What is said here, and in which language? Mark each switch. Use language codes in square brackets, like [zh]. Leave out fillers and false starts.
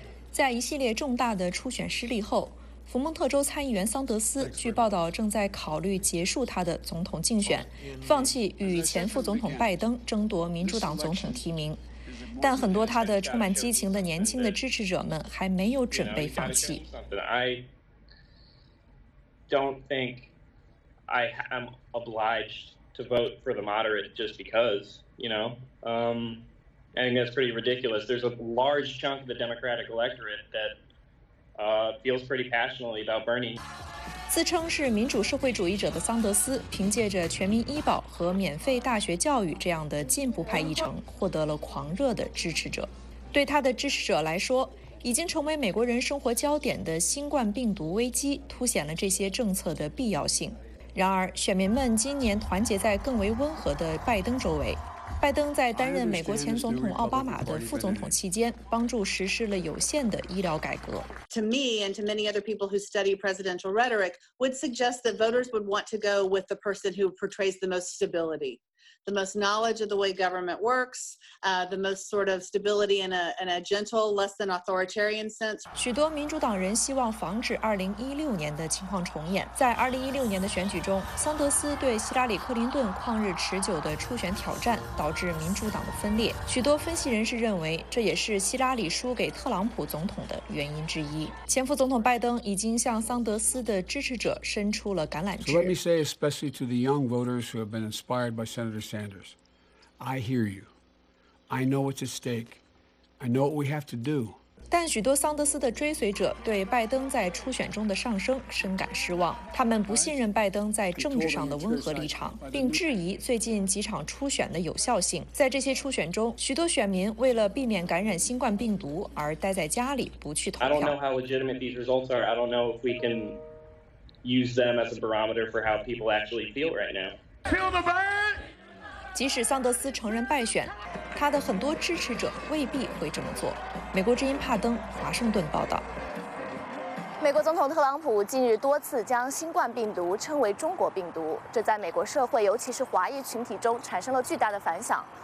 [zh] 在一系列重大的初选失利后，福蒙特州参议员桑德斯据报道正在考虑结束他的总统竞选，放弃与前副总统拜登争夺民主党总统提名。但很多他的充满激情的年轻的支持者们还没有准备放弃。 [en] I don't think I am obliged to vote for the moderate just because, you know. I think that's pretty ridiculous. There's a large chunk of the Democratic electorate that feels pretty passionately about Bernie. [zh] 自称是民主社会主义者的桑德斯，凭借着全民医保和免费大学教育这样的进步派议程，获得了狂热的支持者。对他的支持者来说，已经成为美国人生活焦点的新冠病毒危机，凸显了这些政策的必要性。然而，选民们今年团结在更为温和的拜登周围。拜登在担任美国前总统奥巴马的副总统期间，帮助实施了有限的医疗改革。 [en] To me and to many other people who study presidential rhetoric, would suggest that voters would want to go with the person who portrays the most stability. The most knowledge of the way government works, the most sort of stability in a gentle, less than authoritarian sense. [zh] 许多民主党人希望防止2016年的情况重演。在2016年的选举中，桑德斯对希拉里·克林顿旷日持久的初选挑战导致民主党的分裂。许多分析人士认为，这也是希拉里输给特朗普总统的原因之一。前副总统拜登已经向桑德斯的支持者伸出了橄榄枝。 [en] So let me say, especially to the young voters who have been inspired by Senator Sanders, I hear you. I know what's at stake. I know what we have to do. [zh] 但许多桑德斯的追随者对拜登在初选中的上升深感失望。他们不信任拜登在政治上的温和立场，并质疑最近几场初选的有效性。在这些初选中，许多选民为了避免感染新冠病毒而待在家里，不去投票。 [en] I don't know how legitimate these results are. I don't know if we can use them as a barometer for how people actually feel right now. [zh] 即使桑德斯承认败选，他的很多支持者未必会这么做。美国之音帕登，华盛顿报道。美国总统特朗普近日多次将新冠病毒称为中国病毒，这在美国社会，尤其是华裔群体中产生了巨大的反响。